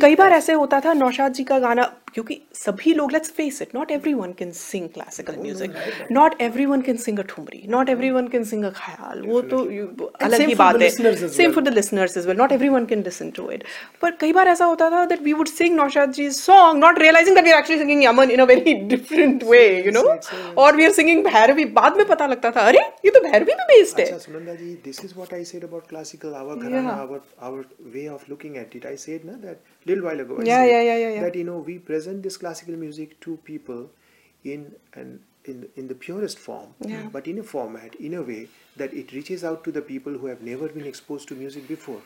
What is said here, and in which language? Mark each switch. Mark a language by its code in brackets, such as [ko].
[hi] कई बार ऐसे होता था नौशाद जी का गाना. क्योंकि सभी लोग, [en] let's face it, not everyone can sing classical music, not everyone can sing a thumri, not everyone can sing a khayal, [hi] वो तो अलग ही बात है. [en] Same for the listeners as well, not everyone can listen to it. [hi] पर कई बार ऐसा होता था [en] that we would sing Naushad ji's song, not realizing that we are actually singing Yaman in a very different way, you know, or we are singing Bhairavi. [hi] बाद में पता लगता था, अरे ये तो Bhairavi में based है. [en] अच्छा Sunanda ji, this is what I said about classical, our gharana, our way of looking at it. I said na that little while ago, I said that, you know, we present this classical music to people in the purest form, yeah. but in a format, in a way that it reaches out to the people who have never been exposed to music before.